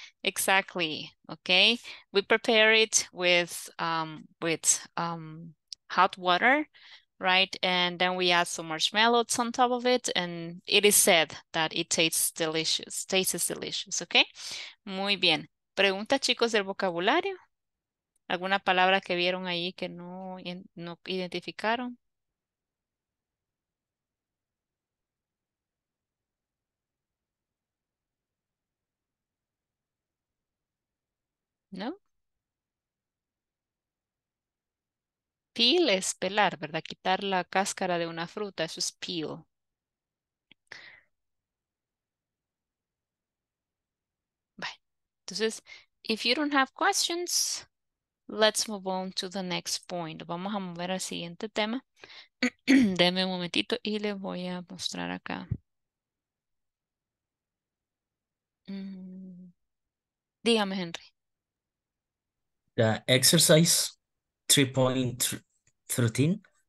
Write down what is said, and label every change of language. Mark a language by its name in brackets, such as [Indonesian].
[English] Exactly, okay. We prepare it with hot water, right? And then we add some marshmallows on top of it, and it is said that it tastes delicious, okay? [Spanish] Muy bien. Pregunta, chicos, del vocabulario. ¿Alguna palabra que vieron ahí que no identificaron? ¿No? Peel es pelar, ¿verdad? Quitar la cáscara de una fruta, eso es peel. [English] Bye. Entonces, if you don't have questions, let's move on to the next point. [Spanish] Vamos a mover al siguiente tema. Deme un momentito y les voy a mostrar acá. Dígame, Henry. [English] The exercise 3.13.